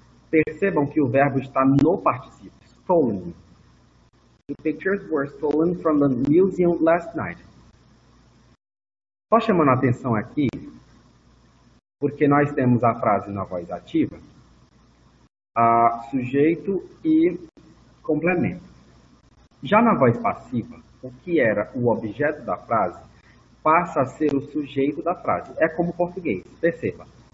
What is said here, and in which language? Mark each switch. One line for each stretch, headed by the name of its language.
Portuguese: Percebam que o verbo está no particípio, stolen.
English: Two pictures were stolen from the museum last night.
Portuguese: Só chamando a atenção aqui, porque nós temos a frase na voz ativa, sujeito e complemento. Já na voz passiva, o que era o objeto da frase passa a ser o sujeito da frase. É como o português. Perceba.